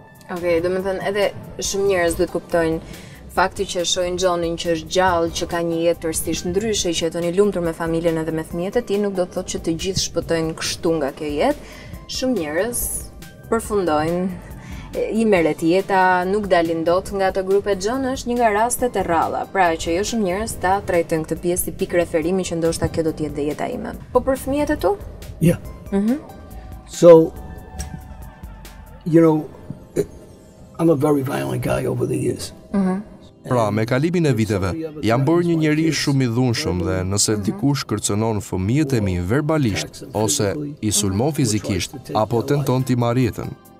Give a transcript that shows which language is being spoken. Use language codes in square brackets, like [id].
[sq] Okej, do të thënë edhe shumë njerëz duhet kuptojnë fakti që shohin Johnin që është gjallë, që ka një jetë tërësisht ndryshe, që jeton i lumtur me familjen edhe me fëmijët e tij, nuk do të thotë që të gjithë shpëtojnë kështu nga kjo jetë. Shumë njerëz përfundojnë i meret jeta, nuk dalin dot nga ato grupe. John është një nga rastet e rralla, pra që jo shumë njerëz ta trajtojnë këtë pjesë si pikë referimi që ndoshta kjo do të jetë jeta ime. Po për fëmijët e tu? [en] Yeah. So you know, I'm a very violent guy over the years. [sq] Pra, me kalimin e viteve, jam bërë një njeri shumë i dhunshëm dhe nëse dikush kërcënon fëmijët e mi verbalisht, ose i sulmon fizikisht, apo tenton t'i marrë jetën.